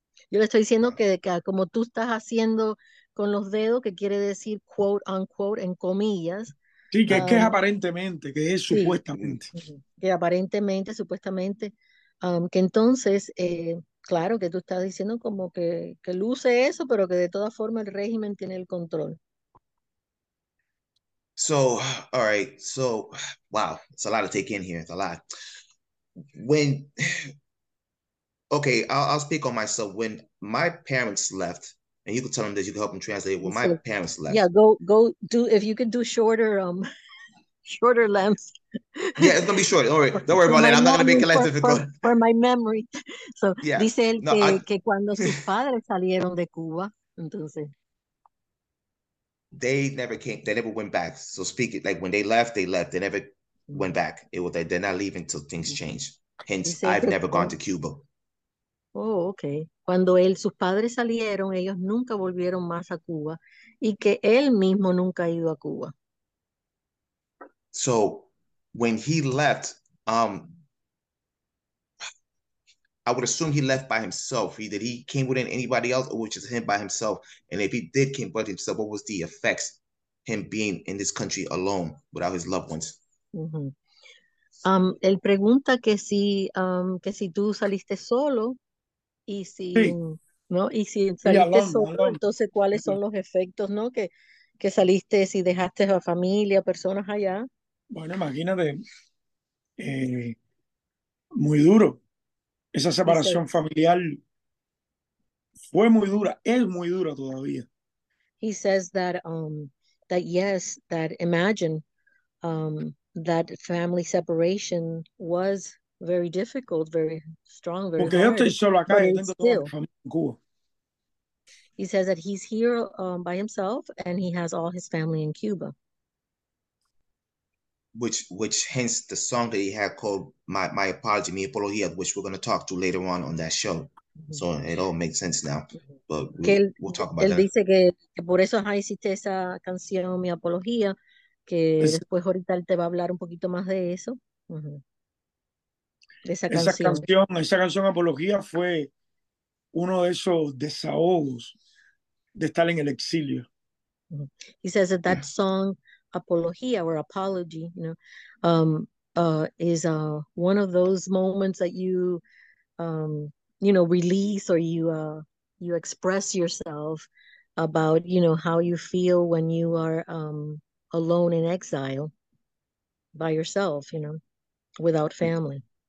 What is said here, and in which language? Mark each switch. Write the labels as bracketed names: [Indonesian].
[Spanish] Yo le estoy diciendo que como tú estás haciendo con los dedos, que quiere decir [English] quote unquote [Spanish] en comillas. Sí, que es aparentemente, que es sí, supuestamente. Que aparentemente, supuestamente, que entonces, claro, que tú estás diciendo como que luce eso, pero que de toda forma el régimen tiene el control. [English] So, all right, so, wow, it's a lot to take in here, it's a lot. When, okay, I'll speak on myself. When my parents left, and you can tell them this, you can help them translate. When my parents left. Yeah, go do, if you can do shorter, shorter lengths. Yeah, it's going to be short. Don't worry about that. I'm not going to make it less difficult. For my memory. So, yeah. [Spanish] Dice él que cuando sus padres salieron de Cuba, entonces. [English] They never went back. So speak it, like when they left, they never went back. It was like they're not leaving until things change. Hence, I've never gone to Cuba. Oh, okay. [Spanish] Cuando él, sus padres salieron, ellos nunca volvieron más a Cuba y que él mismo nunca ha ido a Cuba. [English] So, when he left, I would assume he left by himself. Did he came with anybody else or was just him by himself? And if he did came by himself, what was the effects, him being in this country alone without his loved ones? [Spanish] Mm-hmm. Él pregunta que si tú saliste solo. Y si, sí. ¿No? Y si saliste solo, entonces, ¿cuáles son los efectos, no? Que saliste, si dejaste a familia, personas allá. Bueno, imagínate, muy duro. Esa separación familiar fue muy dura, es muy dura todavía. [English] He says that, that yes, that imagine that family separation was very difficult, very strong, very [Spanish] porque [English] hard. [Spanish] Yo estoy solo acá, yo tengo still, toda mi familia en Cuba. [English] He says that he's here by himself and he has all his family in Cuba. Which hence the song that he had called My Apology, Mi Apología, which we're going to talk to later on that show. Mm-hmm. So it all makes sense now. Mm-hmm. But we'll talk about [Spanish] él [English] that. [Spanish] Él dice que por eso hiciste esa canción, Mi Apología, que después ahorita él te va a hablar un poquito más de eso. Mm-hmm. Esa canción Apología fue uno de esos desahogos de estar en el exilio. [English] He says that that song, Apología or Apology, you know, is one of those moments that you, you know, release or you you express yourself about, you know, how you feel when you are alone in exile by yourself, you know, without family.